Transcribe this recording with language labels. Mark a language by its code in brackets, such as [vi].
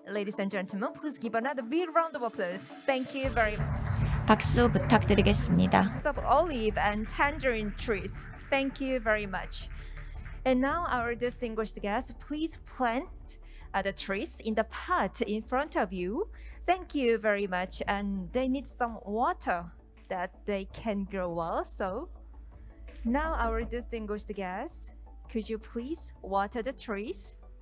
[en] Ladies and gentlemen, please give another big round of applause. Thank you very much. [ko] 박수 부탁드리겠습니다. [en] Of olive and tangerine trees. Thank you very much. And now our distinguished guests, please plant the trees in the pot in front of you. Thank you very much. And they need some water that they can grow well. So now our distinguished guests, could you please water the trees?